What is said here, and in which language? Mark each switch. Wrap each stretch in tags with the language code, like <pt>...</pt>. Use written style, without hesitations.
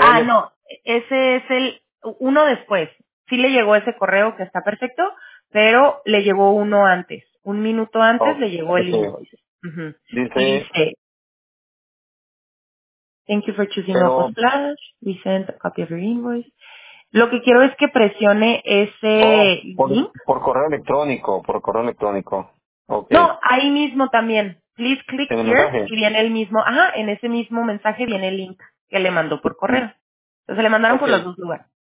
<es>Ah, no, ese es el uno después. Sí le llegó ese correo, que está perfecto, pero le llegó uno antes. Un minuto antes le llegó el invoice. Dice,</es> <en>thank you for choosing Local Splash. We sent a copy of your invoice.</en> <es>Lo que quiero es que presione ese link. Por correo electrónico.</es> <en>Okay.</en> <es>No, ahí mismo también.</es> <en>Please click here</en> <es>y viene el mismo. Ajá, en ese mismo mensaje viene el link que le mandó por correo. Entonces le mandaron por los dos lugares.</es>